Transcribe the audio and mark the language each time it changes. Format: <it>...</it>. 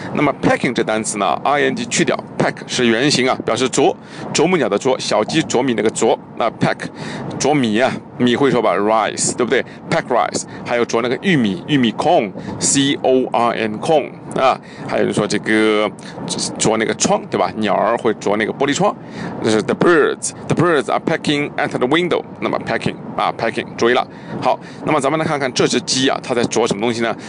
<zh>那么 pecking 这单词呢 ，ing 去掉 ，peck 是原形啊，表示啄，啄木鸟的啄，小鸡啄米那个啄，那 peck 啄米啊，米会说吧 ，rice 对不对 ？</zh> <en>peck rice，</en> <zh>还有啄那个玉米 corn，corn。啊，还有人说这个啄那个窗，对吧？鸟儿会啄那个玻璃窗，这是</zh> <en>the birds are pecking at the window。</en> <zh>那么 pecking 啊 ，pecking， 注意了。好，那么咱们来看看这只鸡啊，它在啄什么东西呢？</zh>